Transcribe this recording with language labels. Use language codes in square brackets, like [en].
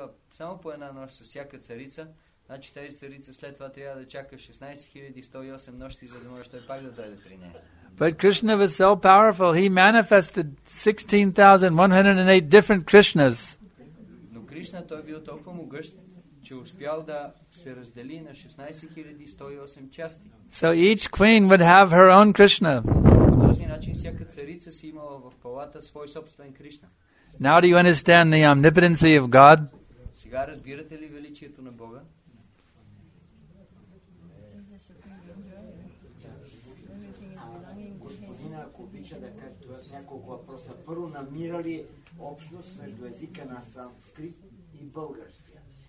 [bg] Само по една нощ с всяка царица, значи тази царица след това трябва да чака 16,108 нощи, за да може той пак да дойде при нея. [en] But Krishna was so powerful, he manifested 16,108 different Krishnas. [bg] Но Кришна той бил толкова могъщ, че успял да се раздели на 16,108 части. [en] So each queen would have her own Krishna. [bg] По този начин всяка царица си имала в палата свой собствен Кришна. [en] Now do you understand the omnipotency of God? [bg] Сега разбирате ли величието на Бога? Господина, ако обича да кажете няколко въпроса. Първо, намира ли общност между езика на санскрит и българския?